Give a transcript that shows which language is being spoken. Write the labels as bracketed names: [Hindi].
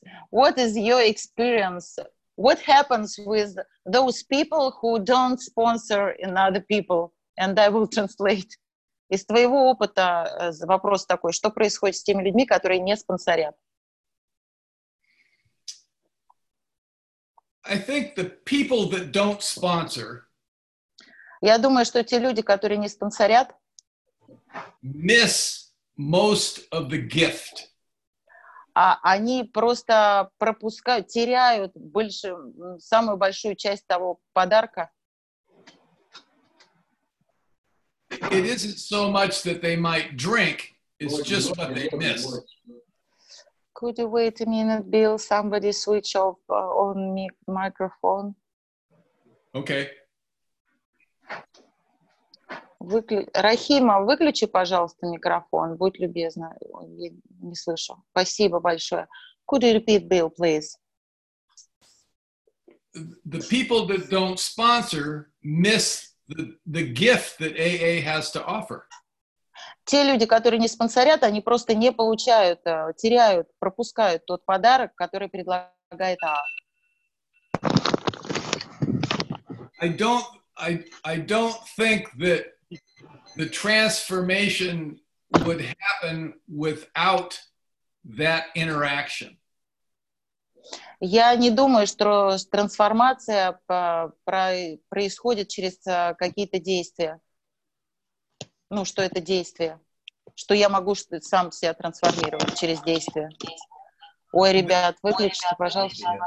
[English] What is your experience? What happens with those people who don't sponsor another people? And I will translate. [Russian] Из твоего опыта вопрос такой, что происходит с теми людьми, которые не спонсорят? [English] I think the people that don't sponsor, [Russian] я думаю, что те люди, которые не спонсорят, [English] miss most of the gift. [Russian] Они просто пропускают, теряют самую большую часть того подарка. [English] It isn't so much that they might drink, it's just what they missed. Could you wait a minute, Bill? Somebody switch off on me microphone. Okay. [Russian] Рахима, выключи, пожалуйста, микрофон. Будь любезна. Я не слышу. Спасибо большое. [English] Could you repeat, Bill, please? The people that don't sponsor miss the gift that AA has to offer. [Russian] Те люди, которые не спонсорят, они просто не получают, теряют, пропускают тот подарок, который предлагает AA. [English] I don't think that the transformation would happen without that interaction. [Russian] Я не думаю, что трансформация происходит через какие-то действия. Ну, что это действие. Что я могу сам себя трансформировать через действие. Ой, ребят, выключите, пожалуйста.